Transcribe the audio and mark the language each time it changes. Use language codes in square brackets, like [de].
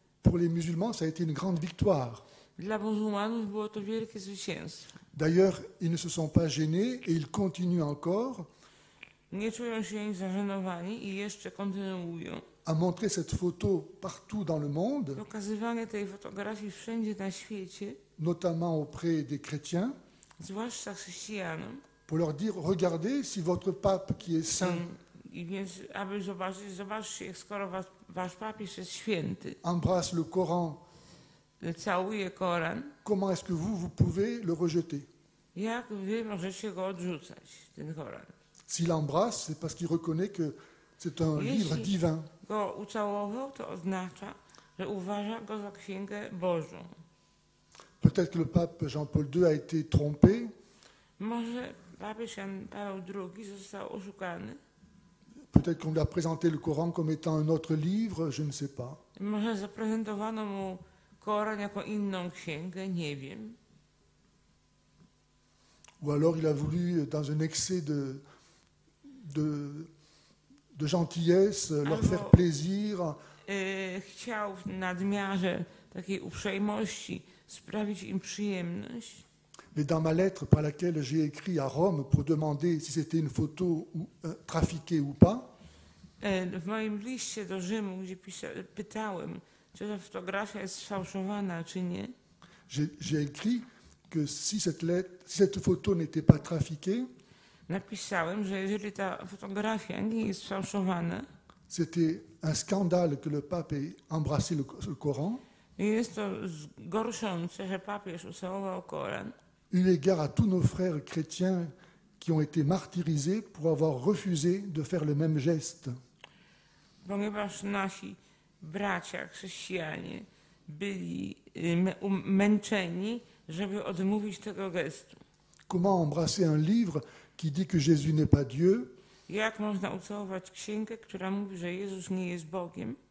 [fr] Pour les musulmans, ça a été une grande victoire. [pl] Dla muzułmanów było to wielkie zwycięstwo. [fr] D'ailleurs, ils ne se sont pas gênés et ils continuent encore. [pl] Nie czują się ani zażenowani i jeszcze kontynuują. [fr] À montrer cette photo partout dans le monde. [pl] Pokazywanie tej fotografii wszędzie na świecie. [fr] Notamment auprès des chrétiens. [pl] Zwłaszcza chrześcijanom. [fr] Pour leur dire, regardez si votre pape qui est saint. [pl] I więc, aby zobaczyć, zobaczcie, skoro wasz papież jest święty. [fr] Embrasse le Coran. [pl] Całuje Koran. [fr] Comment est-ce que vous pouvez le rejeter? [pl] Jak wy możecie go odrzucać, ten Koran? [fr] S'il embrasse, c'est parce qu'il reconnaît que c'est un [pl] jeśli [fr] livre divin. [pl] Go ucałował, to oznacza, że uważa go za księgę Bożą. [fr] Peut-être que le pape Jean-Paul II a été trompé. [pl] Może papież Jan Paweł II został oszukany. [fr] Peut-être qu'on lui a présenté le Coran comme étant un autre livre, je ne sais pas. [pl] Może zaprezentowano mu Koran jako inną księgę, nie wiem. [fr] Ou alors il a voulu, dans un excès de gentillesse, [pl] albo [fr] leur faire plaisir. [pl] Chciał w nadmiarze takiej uprzejmości sprawić im przyjemność. [fr] Mais dans ma lettre par laquelle j'ai écrit à Rome pour demander si c'était une photo trafiquée ou pas. [pl] W moim liście do Rzymu, gdzie pytałem, czy ta fotografia jest sfałszowana, czy nie. [fr] J'ai écrit que si cette photo n'était pas trafiquée. [pl] Napisałem, że jeżeli ta fotografia nie jest sfałszowana. [fr] C'était un scandale que le pape ait embrassé le Coran. [pl] Jest to gorszące, że papież ucałował Koran. [fr] Eu égard à tous nos frères chrétiens qui ont été martyrisés pour avoir refusé de faire le même geste. [pl] Ponieważ nasi bracia chrześcijanie byli umęczeni, żeby odmówić tego gestu. [fr] Comment embrasser un livre qui dit que Jésus n'est pas Dieu? [pl] Jak można ucałować księgę, która mówi, że Jezus nie jest Bogiem?